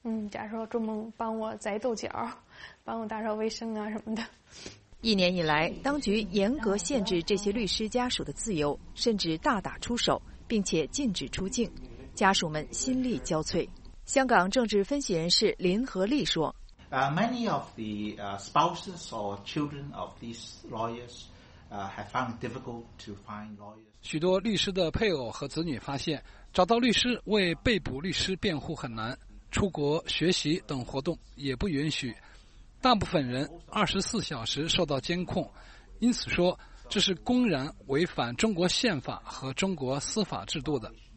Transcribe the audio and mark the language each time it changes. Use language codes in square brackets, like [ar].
[zh] 假如说做梦帮我摘豆角，帮我打扫卫生啊什么的。一年以来，当局严格限制这些律师家属的自由，甚至大打出手，并且禁止出境，家属们心力交瘁。香港政治分析人士林和利说， [en] Many of the spouses or children of these lawyers have found difficult to find lawyers. [zh] 许多律师的配偶和子女发现，找到律师为被捕律师辩护很难，出国学习等活动也不允许，大部分人24小时受到监控，因此说这是公然违反中国宪法和中国司法制度的。